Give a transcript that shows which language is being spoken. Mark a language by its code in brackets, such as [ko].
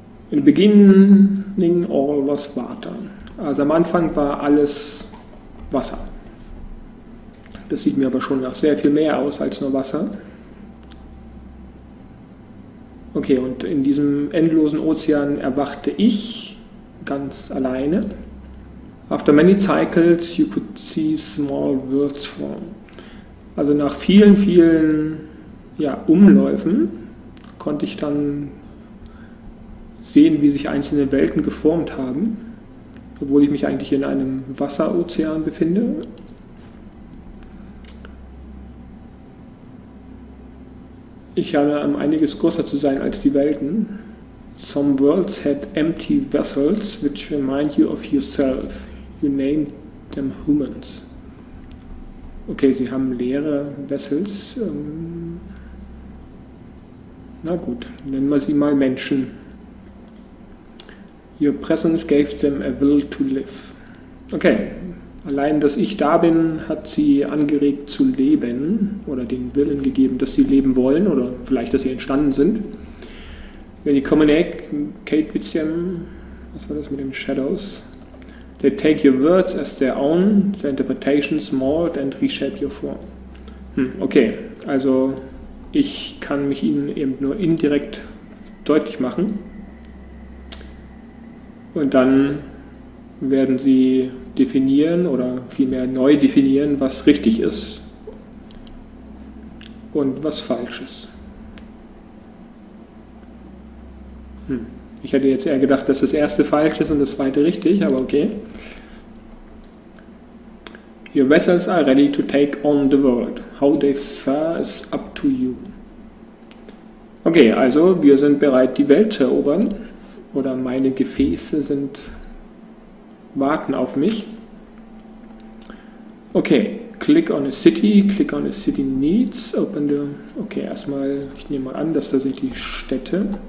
[en] In the beginning all was water. [de] Also am Anfang war alles Wasser. Das sieht mir aber schon nach sehr viel mehr aus als nur Wasser. Okay, und in diesem endlosen Ozean erwachte ich ganz alleine. [en] After many cycles you could see small words form. [de] Also nach vielen, vielen Umläufen konnte ich dann sehen, wie sich einzelne Welten geformt haben, obwohl ich mich eigentlich in einem Wasserozean befinde. Ich habe einiges größer zu sein als die Welten. [en] Some worlds had empty vessels, which remind you of yourself. You named them humans. Okay, [de] sie haben leere Vessels. Na gut, nennen wir sie mal Menschen. [en] Your presence gave them a will to live. [de] Okay, allein, dass ich da bin, hat sie angeregt zu leben oder den Willen gegeben, dass sie leben wollen oder vielleicht, dass sie entstanden sind. [en] When you communicate with them, [de] was war das mit den Shadows? [en] They take your words as their own, their interpretations mold and reshape your form. [de] Okay, also ich kann mich ihnen eben nur indirekt deutlich machen. Und dann werden sie definieren oder vielmehr neu definieren, was richtig ist und was falsch ist. Ich hätte jetzt eher gedacht, dass das erste falsch ist und das zweite richtig, aber okay. [en] Your vessels are ready to take on the world. How they fare is up to you. [de] Okay, also wir sind bereit, die Welt zu erobern. Oder meine Gefäße warten auf mich. [en] Okay, click on a city needs, open the... [de] Okay, erstmal, ich nehme mal an, dass da sind die Städte.